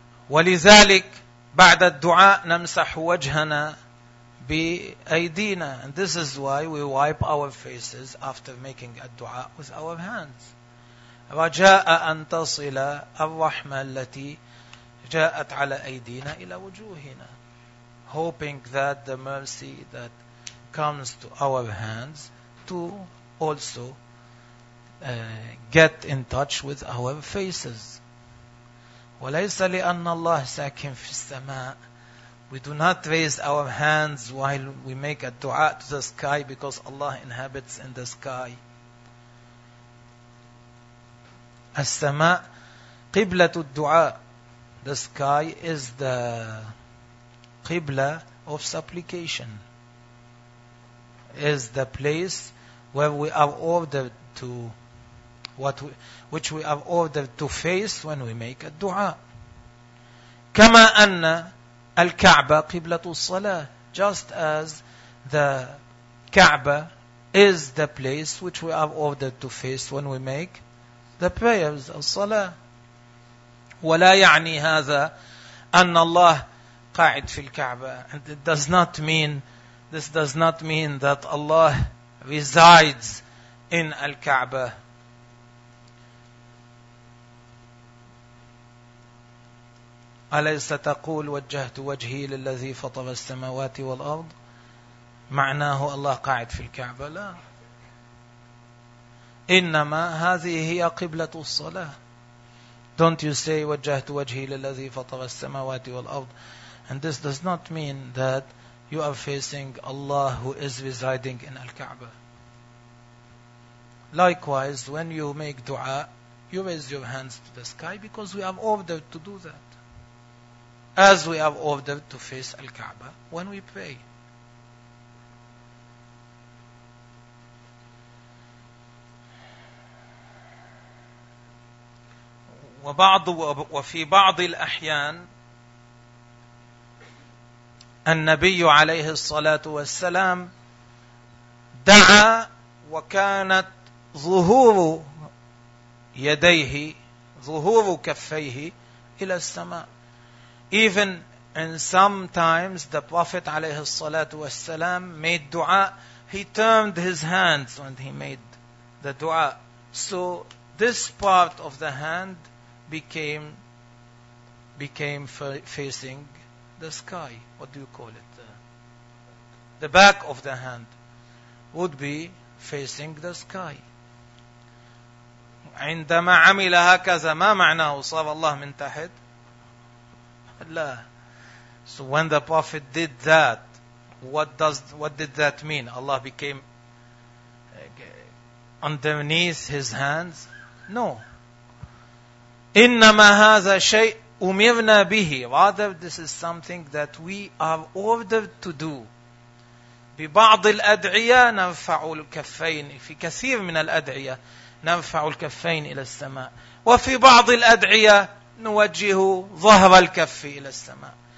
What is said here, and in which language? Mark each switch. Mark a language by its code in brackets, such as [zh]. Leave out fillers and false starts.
[ar] ولذلك بعد الدعاء نمسح وجهنا بأيدينا. [en] And this is why we wipe our faces after making a dua with our hands. [ar] رجاء أن تصل الرحمة التي جاءت على أيدينا إلى وجوهنا. [en] Hoping that the mercy that comes to our hands to also get in touch with our faces. [ar] وليس لأن الله ساكن في السماء. [en] We do not raise our hands while we make a dua to the sky because Allah inhabits in the sky. [ar] السماء قبلة الدعاء. [en] The sky is the قبلة of supplication. Is the place where we are ordered to, which we are ordered to face when we make a دعاء. [ar] كما أن الكعبة قبلة الصلاة. [en] Just as the كعبة is the place which we are ordered to face when we make the prayers, الصلاة. [ar] ولا يعني هذا أن الله قاعد في الكعبة. [en] And it does not mean, this does not mean that Allah resides in الكعبة. [ar] أليس تقول وجهت وجهي للذي فطر السماوات والأرض معناه الله قاعد في الكعبة؟ لا، إنما هذه هي قبلة الصلاة. [en] Don't you say [ar] وجهت وجهي للذي فطر السماوات والأرض، [en] and this does not mean that you are facing Allah who is residing in Al-Kaaba. Likewise, when you make dua, you raise your hands to the sky, because we are ordered to do that, as we are ordered to face Al-Kaaba when we pray. [ar] وفي بعض الأحيان النبي عليه الصلاة والسلام دعا وكانت ظهور يديه، ظهور كفيه إلى السماء. [en] Even in some times the Prophet [ar] عليه الصلاة والسلام [en] made دعاء, he turned his hands when he made the دعاء. So this part of the hand became facing the sky. What do you call it? The back of the hand would be facing the sky. [ar] عندما عمل هكذا ما معناه صار الله من تحت؟ لا. [en] So when the Prophet did that, what did that mean? Allah became underneath his hands? No. [ar] إنما هذا شيء أمرنا به. [en] Rather, this is something that we are ordered to do. [ar] ببعض الأدعية نرفع الكفين، في كثير من الأدعية نرفع الكفين إلى السماء، وفي بعض الأدعية نوجه ظهر الكف إلى السماء.